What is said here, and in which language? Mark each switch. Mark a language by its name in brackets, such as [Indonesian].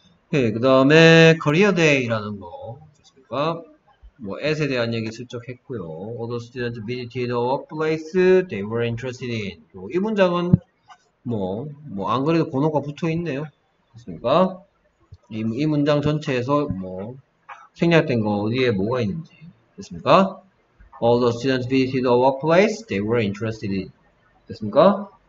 [Korean] 네, 그 다음에 Career Day라는 거 됐습니까? 뭐 at에 대한 얘기 슬쩍 했고요. [English] All the students visited a workplace they were interested in. [Korean] 이 문장은 뭐 안 그래도 번호가 붙어 있네요. 됐습니까? 이 문장 전체에서 뭐 생략된 거 어디에 뭐가 있는지 됐습니까? [English] All the students visited a workplace they were interested in. [Korean] 됐습니까?